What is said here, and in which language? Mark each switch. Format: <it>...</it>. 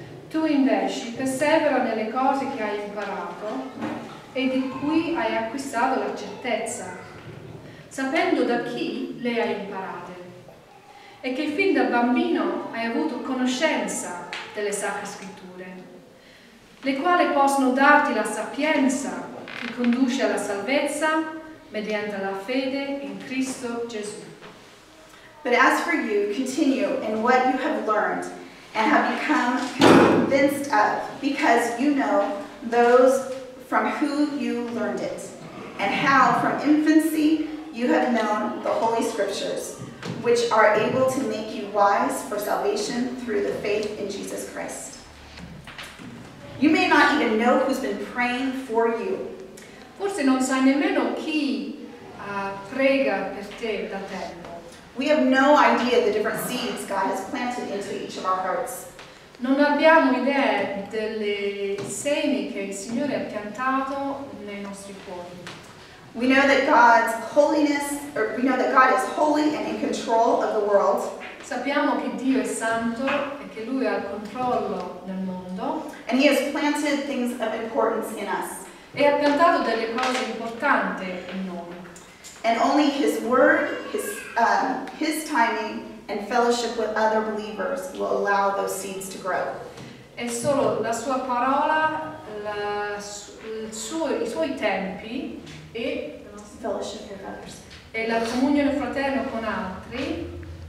<it>Tu invece persevera nelle cose che hai imparato e di cui hai acquistato la certezza, sapendo da chi le hai imparate e che fin da bambino hai avuto conoscenza delle sacre scritture, le quali possono darti la sapienza che conduce alla salvezza mediante la fede in Cristo Gesù.</it> <en>But as for you, continue in what you have learned and have become convinced of, because you know those from who you learned it, and how from infancy you have known the Holy Scriptures, which are able to make you wise for salvation through the faith in Jesus Christ. You may not even know who's been praying for you.</en> <it>Forse non sai nemmeno chi prega per te da tempo.</it> <en>We have no idea the different seeds God has planted into each of our hearts.</en> <it>Non abbiamo idea delle semi che il Signore ha piantato nei nostri cuori.</it> <en>We know that God's holiness, or we know that God is holy and in control of the world.</en> <it>Sappiamo che Dio è santo e che Lui ha il controllo del mondo.</it> <en>And He has planted things of importance in us.</en> <it>E ha piantato delle cose importanti in noi.</it> <en>And only His word, His timing, and fellowship with other believers will allow those seeds to grow.</en> <it>È solo la Sua parola, i Suoi tempi, e la comunione fraterna con altri.</it>